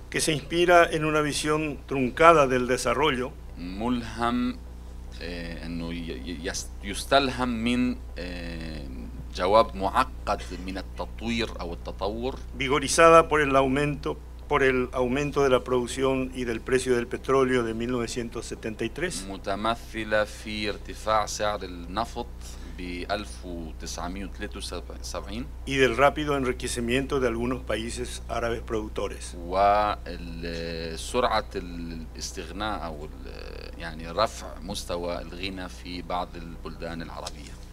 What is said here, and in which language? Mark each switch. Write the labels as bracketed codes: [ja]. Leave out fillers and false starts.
[es] Que se inspira en una visión truncada del desarrollo. [ar] ملهم إنه يستلهم من جواب معقد من التطوير أو التطور. [es] Vigorizada por el aumento de la producción y del precio del petróleo de 1973. [ar] متمثلة في ارتفاع سعر النفط ب 1973. [es] Y del rápido enriquecimiento de algunos países árabes productores. [ar] وسرعة الاستغناء أو يعني رفع مستوى الغنى في بعض البلدان العربية.